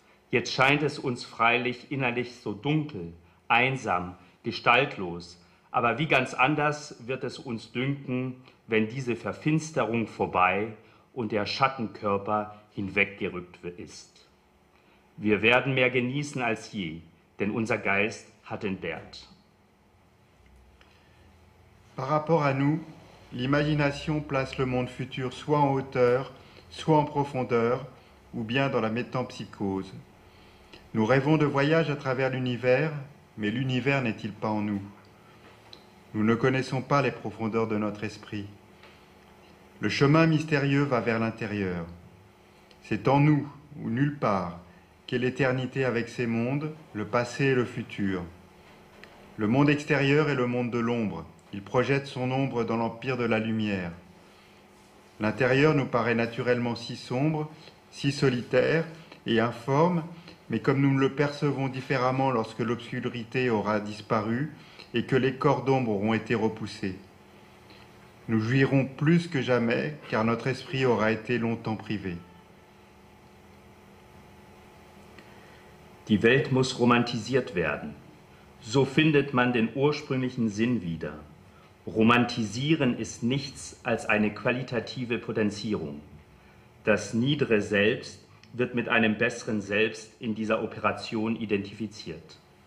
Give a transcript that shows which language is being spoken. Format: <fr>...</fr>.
<de>Jetzt scheint es uns freilich innerlich so dunkel, einsam, gestaltlos, aber wie ganz anders wird es uns dünken, wenn diese Verfinsterung vorbei und der Schattenkörper hinweggerückt ist. Wir werden mehr genießen als je, denn unser Geist hat entbehrt.</de> <fr>Par rapport à nous, l'imagination place le monde futur soit en hauteur, soit en profondeur, ou bien dans la métempsychose. Nous rêvons de voyage à travers l'univers, mais l'univers n'est-il pas en nous? Nous ne connaissons pas les profondeurs de notre esprit. Le chemin mystérieux va vers l'intérieur. C'est en nous, ou nulle part, qu'est l'éternité avec ses mondes, le passé et le futur. Le monde extérieur est le monde de l'ombre. Il projette son ombre dans l'empire de la lumière. L'intérieur nous paraît naturellement si sombre, si solitaire et informe, mais comme nous le percevons différemment lorsque l'obscurité aura disparu et que les corps d'ombre auront été repoussés. Nous jouirons plus que jamais, car notre esprit aura été longtemps privé.</fr> <de>Die Welt muss romantisiert werden. So findet man den ursprünglichen Sinn wieder. Romantisieren ist nichts als eine qualitative Potenzierung. Das niedere Selbst wird mit einem besseren Selbst in dieser Operation identifiziert.</de>